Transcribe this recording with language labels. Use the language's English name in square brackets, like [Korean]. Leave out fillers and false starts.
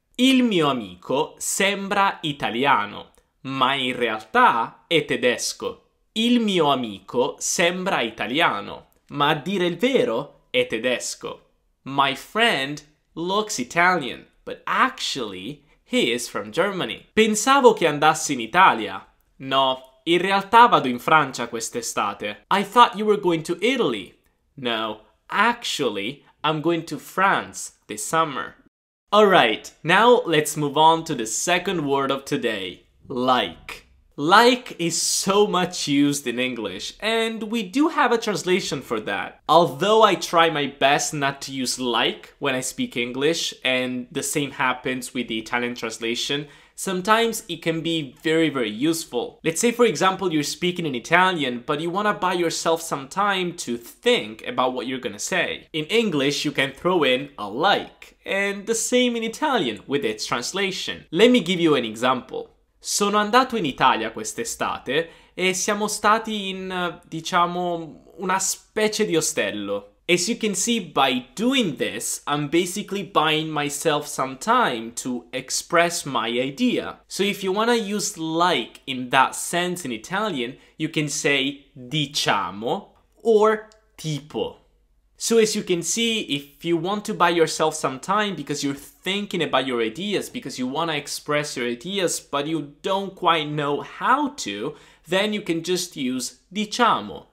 [Italian] Il mio amico sembra italiano, ma in realtà è tedesco. Il mio amico sembra italiano, ma a dire il vero è tedesco. [English] My friend looks Italian, but actually he is from Germany. [Italian] Pensavo che andassi in Italia. No, in realtà vado in Francia quest'estate. [English] I thought you were going to Italy. No, actually, I'm going to France this summer. Alright, now let's move on to the second word of today, like. Like is so much used in English, and we do have a translation for that. Although I try my best not to use like when I speak English, and the same happens with the Italian translation, sometimes it can be very, very useful. Let's say, for example, you're speaking in Italian, but you want to buy yourself some time to think about what you're gonna say. In English, you can throw in a like, and the same in Italian with its translation. Let me give you an example. [Italian] Sono andato in Italia quest'estate e siamo stati in, diciamo, una specie di ostello. [English] As you can see, by doing this, I'm basically buying myself some time to express my idea. So if you want to use like in that sense in Italian, you can say diciamo or tipo. So as you can see, if you want to buy yourself some time because you're thinking about your ideas, because you want to express your ideas, but you don't quite know how to, then you can just use diciamo.